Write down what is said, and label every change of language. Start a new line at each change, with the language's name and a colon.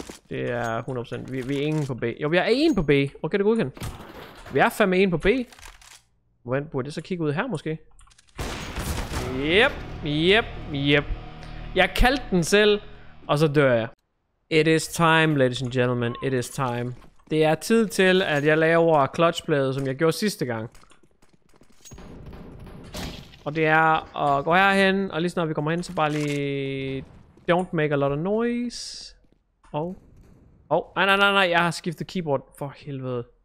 Danish: Det er 100%. Vi er ingen på B. Jo, vi er 1 på B. Okay, det er godkendt. Vi er fandme 1 på B. Hvordan burde det så kigge ud her, måske? Yep. Jeg kaldte den selv, og så dør jeg.
English: It is time, ladies and gentlemen. It is time.
Danish: Det er tid til, at jeg laver clutchbladet, som jeg gjorde sidste gang. Og det er at gå herhen, og lige snart vi kommer hen, så bare lige...
English: Don't make a lot of noise.
Danish: Nej, jeg har skiftet keyboard. For helvede.